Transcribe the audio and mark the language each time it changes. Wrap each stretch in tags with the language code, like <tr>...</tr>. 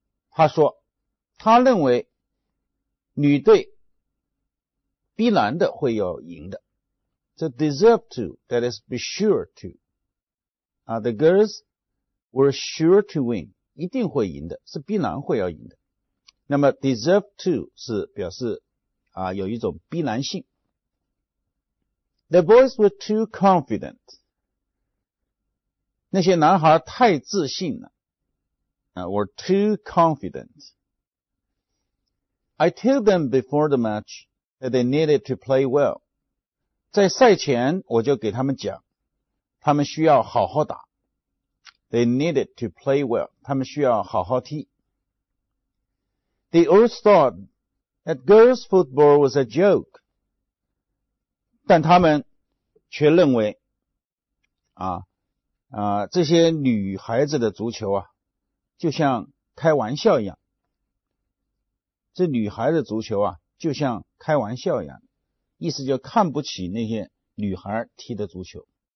<zh>他说他认为女队必然的会要赢的。</zh> <en>So deserve to, that is be sure to.、The girls were sure to win,</en> <zh>一定会赢的是必然会要赢的。那么 deserve to 是表示、有一种必然性。</zh> <en>The boys were too confident.</en> <zh>那些男孩太自信了。</zh> <en>Were too confident. I told them before the match that they needed to play well.</en> <zh>在赛前我就给他们讲，他们需要好好打。</zh> <en>They needed to play well.</en> <zh>他们需要好好踢。</zh> <en>They all thought that girls' football was a joke.</en> <zh>但他们却认为，这些女孩子的足球啊。就像开玩笑一样，这女孩的足球啊，就像开玩笑一样，意思就看不起那些女孩踢的足球。</zh>